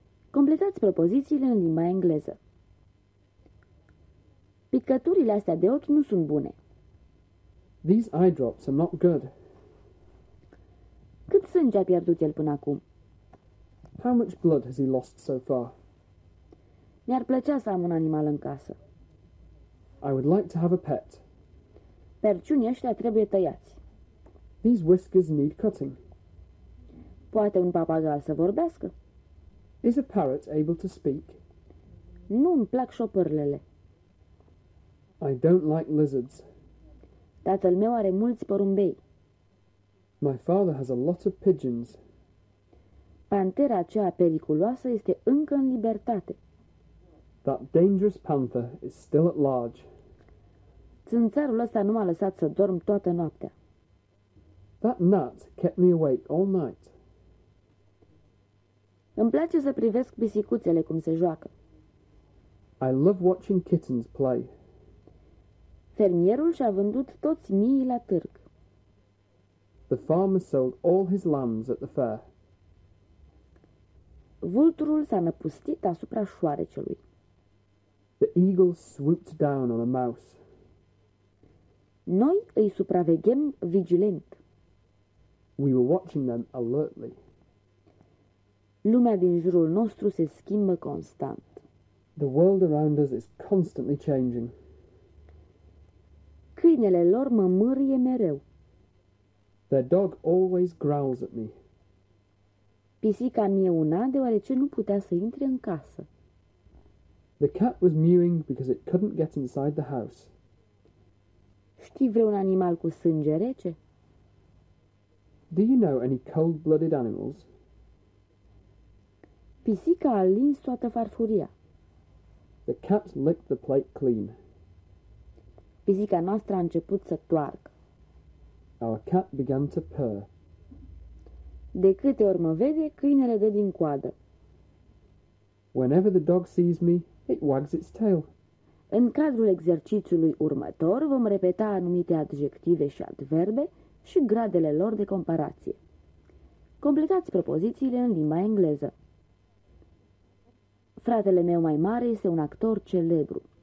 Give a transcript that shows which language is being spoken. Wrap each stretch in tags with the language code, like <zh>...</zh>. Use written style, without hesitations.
<ro>Completați propozițiile în limba engleză. Picăturile astea de ochi nu sunt bune.</ro> <en>These eye drops are not good.</en> <ro>Cât sânge a pierdut el până acum?</ro> <en>How much blood has he lost so far?</en> <ro>Mi-ar plăcea să am un animal în casă.</ro> <en>I would like to have a pet.</en> <ro>Perciunii ăștia trebuie tăiați.</ro> <en>These whiskers need cutting.</en> <ro>Poate un papagal să vorbească?</ro> <en>Is a parrot able to speak?</en> <ro>Nu-mi plac șopârlele.</ro> <en>I don't like lizards.</en> <ro>Tatăl meu are mulți porumbei.</ro> <en>My father has a lot of pigeons.</en> <ro>Pantera aceea periculoasă este încă în libertate.</ro> <en>That dangerous panther is still at large.</en> <ro>Țânțarul ăsta nu m-a lăsat să dorm toată noaptea.</ro> <en>That gnat kept me awake all night.</en> <ro>Îmi place să privesc pisicuțele cum se joacă.</ro> <en>I love watching kittens play.</en> <ro>Fermierul și-a vândut toți miii la târg.</ro> <en>The farmer sold all his lambs at the fair.</en> <ro>Vulturul s-a năpustit asupra șoarecelui.</ro> <en>The eagle swooped down on a mouse.</en> <ro>Noi îi supraveghem vigilent.</ro> <en>We were watching them alertly.</en> <ro>Lumea din jurul nostru se schimbă constant.</ro> <en>The world around us is constantly changing.</en> <ro>Câinele lor mă mârie mereu.</ro> <en>Their dog always growls at me.</en> <ro>Pisica mie una deoarece nu putea să intre în casă.</ro> <en>The cat was mewing because it couldn't get inside the house.</en> <ro>Știi vreun animal cu sânge rece?</ro> <en>Do you know any cold-blooded animals?</en> <ro>Pisica a lins toată farfuria.</ro> <en>The cat licked the plate clean.</en> <ro>Pisica noastră a început să toarcă.</ro> <en>Our cat began to purr.</en> <ro>De câte ori mă vede, câinele dă din coadă.</ro> <en>Whenever the dog sees me, it wags its tail.</en> <ro>În cadrul exercițiului următor vom repeta anumite adjective și adverbe și gradele lor de comparație. Completați propozițiile în limba engleză. Fratele meu mai mare este un actor celebru.</ro>